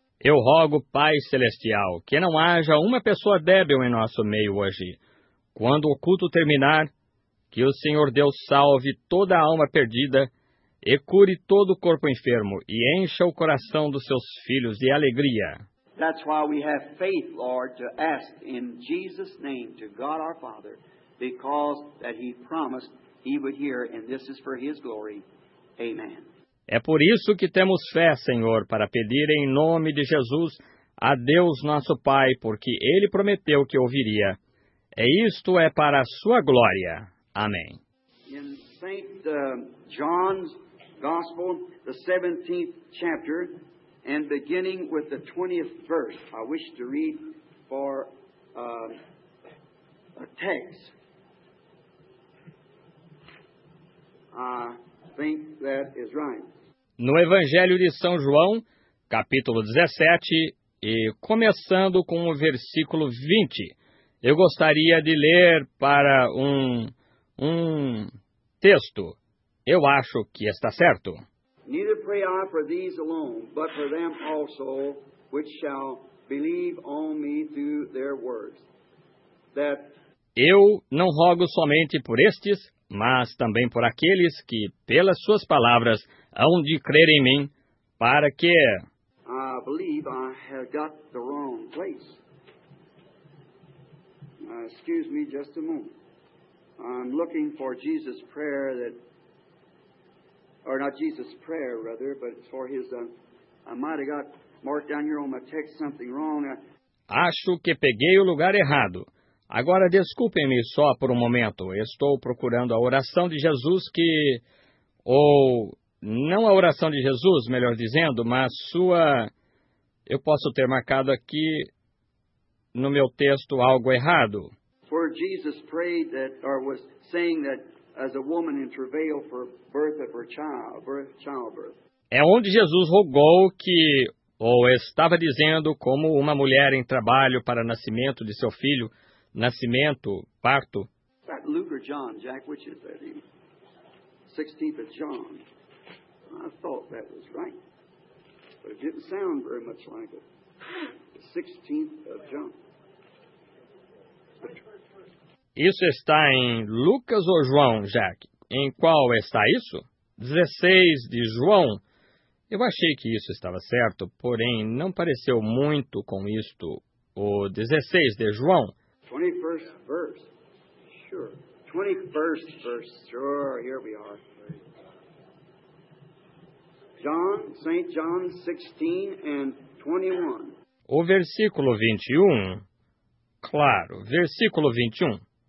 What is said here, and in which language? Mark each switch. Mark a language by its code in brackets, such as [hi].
[pt] Eu rogo, Pai Celestial, que não haja uma pessoa débil em nosso meio hoje. Quando o culto terminar, que o Senhor Deus salve toda a alma perdida e cure todo o corpo enfermo e encha o coração dos seus filhos de alegria. [en] That's why we have faith, Lord, to ask in Jesus' name to God our Father because that he promised he would hear, and this is for his glory. Amen. [pt] É por isso que temos fé, Senhor, para pedir em nome de Jesus a Deus nosso Pai, porque ele prometeu que ouviria. E isto é para a sua glória. Amém. [en] In Saint John's Gospel, the 17th chapter, and beginning with the 20th verse, I wish to read for a text. I think that is right. [pt] No Evangelho de São João, capítulo 17, e começando com o versículo 20, eu gostaria de ler para um texto. Eu acho que está certo. [en] Neither pray I for these alone, but for them also which shall believe on me through their words. That [pt] eu não rogo somente por estes, mas também por aqueles que, pelas suas palavras, hão de crer em mim, para que [en] I believe I have got the wrong place. Excuse me just a moment. I'm looking for Jesus' prayer that or not Jesus' prayer, rather, but it's for his I might have got marked down here on my text something wrong. [pt] Acho que peguei o lugar errado. Agora, desculpem-me só por um momento. Estou procurando a oração de Jesus que... Ou... Não a oração de Jesus, melhor dizendo, mas sua... Eu posso ter marcado aqui no meu texto algo errado. [en] For Jesus prayed that, or was saying that as a woman in travail for birth of her childbirth. [pt] É onde Jesus rogou que... Ou estava dizendo como uma mulher em trabalho para nascimento de seu filho... Nascimento, parto. [en] Luke or John, Jack, which is that? 16th of John. I thought that was right. But it didn't sound very much like it. The 16th of John. [pt] Isso está em Lucas ou João, Jack? Em qual está isso? 16 de João. Eu achei que isso estava certo, porém não pareceu muito com isto. O 16 de João. [en] 21st verse. Sure. 21st verse. Sure, here we are. John, St. John 16 and 21. [pt] O versículo 21. Claro, versículo 21.